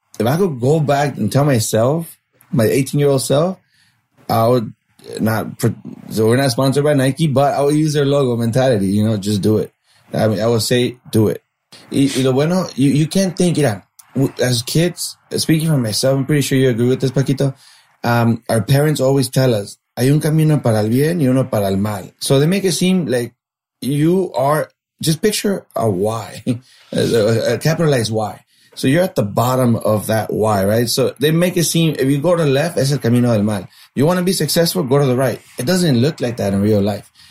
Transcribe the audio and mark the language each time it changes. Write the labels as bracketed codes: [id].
[en] If I could go back and tell myself, my 18-year-old self, I would not, so we're not sponsored by Nike, but I would use their logo mentality, you know, just do it. I mean, I would say, do it. You can't think, you know, as kids, speaking for myself, I'm pretty sure you agree with this, Paquito. Our parents always tell us, [es] hay un camino para el bien y uno para el mal. [en] So they make it seem like you are, just picture a Y, a capitalized Y. So you're at the bottom of that Y, right? So they make it seem, if you go to the left, [es] es el camino del mal. [en] You want to be successful, go to the right. It doesn't look like that in real life.